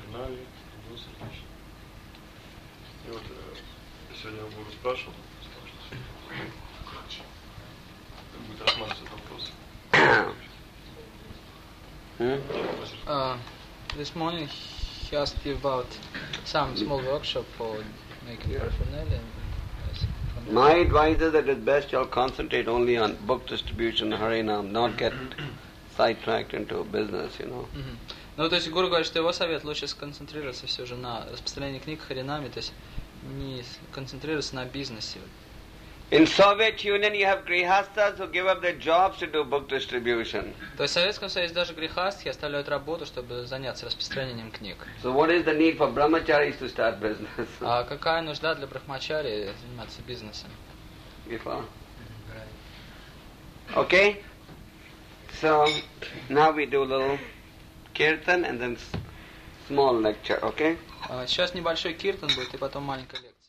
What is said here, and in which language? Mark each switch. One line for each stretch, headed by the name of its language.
Russian: И вот сегодня я Гуру спрашивал, будет рассматриваться этот вопрос.
English: This morning he asked you about some small workshop for making paraphernalia. My advice is that at best you'll concentrate only on book distribution, Harinam, not get sidetracked into a business, you know. Mm-hmm.
Russian: Ну, то есть Гуру говорит, что его совет лучше сконцентрироваться все же на распространении книг Харинами, то есть не концентрироваться на бизнесе.
English: In Soviet Union you have grihasthas who give up their jobs to do book distribution.
Russian: То есть в Советском Союзе даже грихасты оставляют работу, чтобы заняться распространением книг.
English: So what is the need for brahmacharis to start business?
Russian: А какая нужда для брахмачари заниматься бизнесом?
English: Okay. So now we do a little kirtan and then small lecture, okay?
Russian: Сейчас небольшой киртан будет, и потом маленькая лекция.